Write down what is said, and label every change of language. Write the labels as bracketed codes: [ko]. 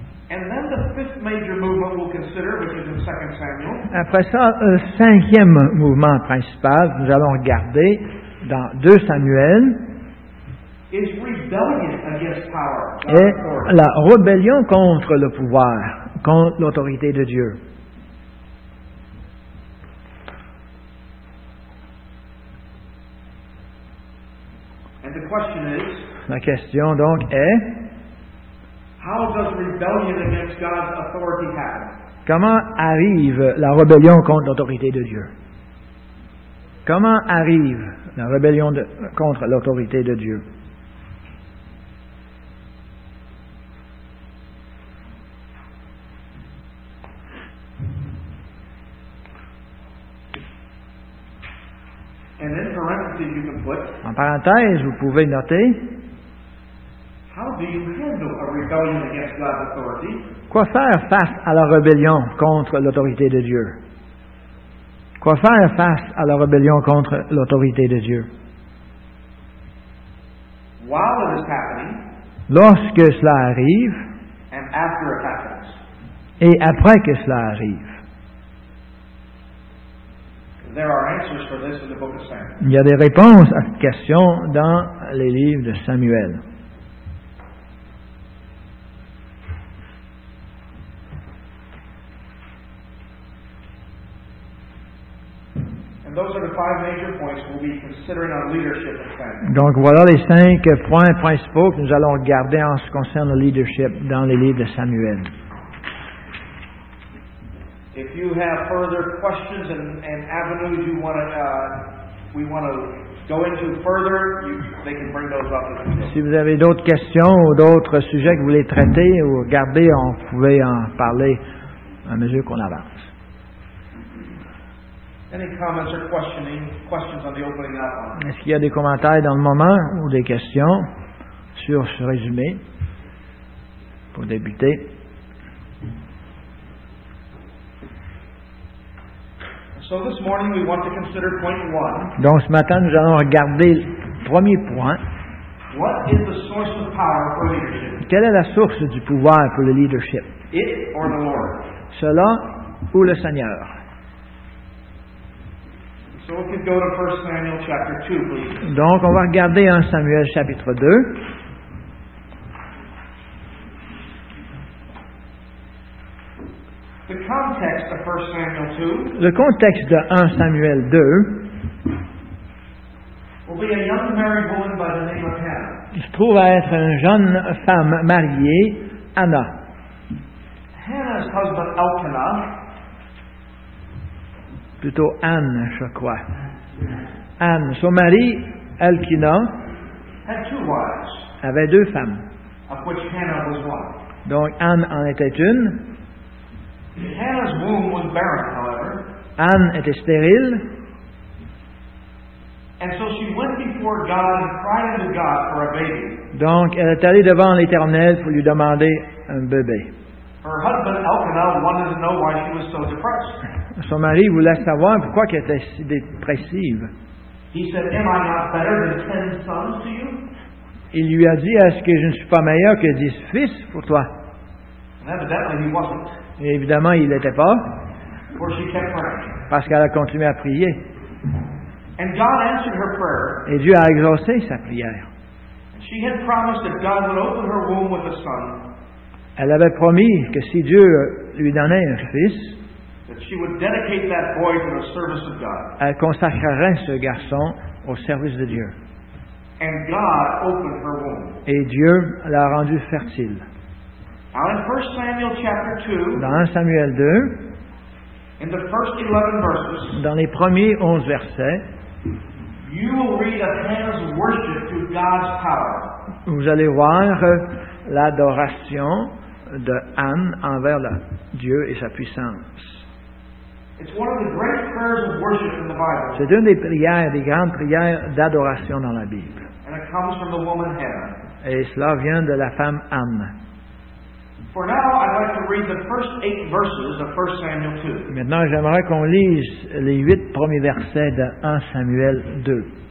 [en] And then the fifth major movement we'll consider, which is in 2 Samuel. [fr] Après ça, le cinquième mouvement principal, nous allons regarder dans 2 Samuel. [en] Is rebellion against power, [fr] et la rébellion contre le pouvoir, contre l'autorité de Dieu. [en] And the question is, [fr] la question donc est, [en] how does rebellion against God's authority happen? [fr] Comment arrive la rébellion contre l'autorité de Dieu? Comment arrive la rébellion contre l'autorité de Dieu? [en] And in parenthesis, you can put, [fr] en parenthèse, vous pouvez noter, [en] how do you handle a rebellion against God's authority? [fr] Quoi faire face à la rébellion contre l'autorité de Dieu? Quoi faire face à la rébellion contre l'autorité de Dieu? [en] While it is happening, [fr] lorsque cela arrive, [en] and after it happens, [fr] et après que cela arrive, [en] there are answers for this in the book of Samuel. [fr] Il y a des réponses à cette question dans les livres de Samuel. [en] And those are the five major points we'll be considering on leadership in Samuel. [fr] Donc voilà les cinq points principaux que nous allons regarder en ce qui concerne le leadership dans les livres de Samuel. [en] If you have further questions and avenues you want to we want to go into further, they can bring those up. [fr] Si vous avez d'autres questions ou d'autres sujets que vous voulez traiter ou regarder, on pouvait en parler à mesure qu'on avance. [en] Any comments or questions on the opening up? [fr] Est-ce qu'il y a des commentaires dans le moment ou des questions sur ce résumé pour débuter? [en] So this morning we want to consider point one. [fr] Donc ce matin nous allons regarder le premier point. [en] What is the source of power for leadership? [fr] Quelle est la source du pouvoir pour le leadership? [en] It or the Lord? [fr] Cela ou le Seigneur? [en] So we can go to 1 Samuel chapter 2, please. [fr] Donc on va regarder 1 Samuel chapitre 2. [en] The context of 1 Samuel 2, [fr] le contexte de 1 Samuel 2, [en] will be a young married woman by the name of Hannah. [fr] Il se trouve à être une jeune femme mariée, Anna. [en] Hannah's husband Elkanah, [fr] plutôt Anne, je crois. [en] Yes. [fr] Anne, son mari Elkanah, [en] had two wives, [fr] avait deux femmes, [en] of which Hannah was one. [fr] Donc Anne en était une. [en] Hannah's womb was barren, however. [fr] Anne était stérile. [en] And so she went before God and cried unto God for a baby. [fr] Donc elle est allée devant l'Éternel pour lui demander un bébé. [en] Her husband Elkanah wanted to know why she was so depressed. [fr] Son mari voulait savoir pourquoi elle était si dépressive. [en] He said, "Am I not better than 10 sons to you?" [fr] Il lui a dit, est-ce que je ne suis pas meilleur que 10 fils pour toi? [en] Evidently he wasn't. [fr] Et évidemment, il n'était pas. [en] For she kept praying. [fr] Parce qu'elle a continué à prier. [en] And God answered her prayer. [fr] Et Dieu a exaucé sa prière. [en] She had promised that God would open her womb with a son. [fr] Elle avait promis que si Dieu lui donnait un fils, [en] that she would dedicate that boy to the service of God. [fr] Elle consacrerait ce garçon au service de Dieu. [en] And God opened her womb. [fr] Et Dieu l'a rendu fertile. [en] Now in 1 Samuel chapter 2, [fr] dans 1 Samuel 2, [en] in the first 11 verses, [fr] dans les premiers 11 versets, [en] you will read of Hannah's worship through God's power. [fr] Vous allez voir l'adoration de Anne envers la Dieu et sa puissance. [en] It's one of the great prayers of worship in the Bible. [fr] C'est une des prières, des grandes prières d'adoration dans la Bible. [en] And it comes from the woman Hannah. [fr] Et cela vient de la femme Anne. [en] For now, I'd like to read the first 8 verses of 1 Samuel 2. [fr] Maintenant, j'aimerais qu'on lise les 8 premiers versets de 1 Samuel 2.